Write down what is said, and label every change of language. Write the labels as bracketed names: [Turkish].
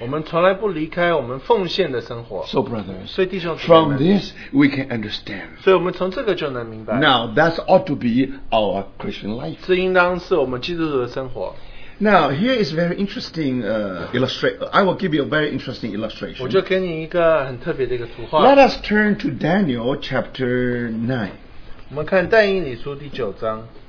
[Chinese] 我们从来不离开我们奉献的生活。 [English] So brothers, [Chinese] 所以弟兄姊妹们, [English] from this we can understand. [Chinese] 所以我们从这个就能明白。 [English] Now that ought to be our Christian life. [Chinese] 这应当是我们基督徒的生活。 [English] Now here is very interesting illustration. I will give you a very interesting illustration. [Chinese] 我就给你一个很特别的一个图画。 [English] Let us turn to Daniel chapter 9. [Chinese] 我们看但以理书第九章。